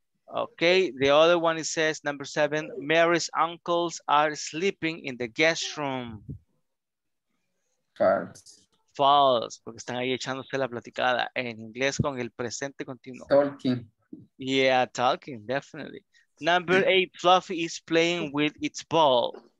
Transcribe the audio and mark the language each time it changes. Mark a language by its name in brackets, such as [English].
[English] Okay, the other one, it says, number seven, Mary's uncles are sleeping in the guest room. False. [Spanish] Porque están ahí echándose la platicada en inglés con el presente continuo. [English] Talking. Yeah, talking, definitely. Number eight, Fluffy is playing with its ball.